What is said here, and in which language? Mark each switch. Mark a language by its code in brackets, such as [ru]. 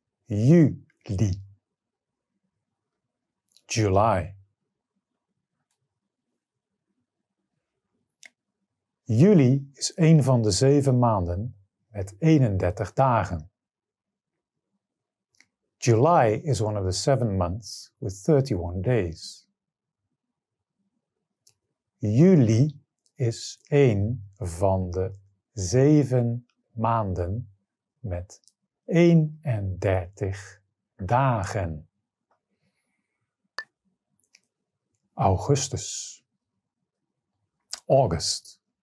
[nl] Juli. [en] July. [nl] Juli is een van de 7 maanden met 31 dagen. [en] July is one of the 7 months with 31 days. [nl] Juli is een van de 7 maanden met 31 dagen. Augustus. [en] August.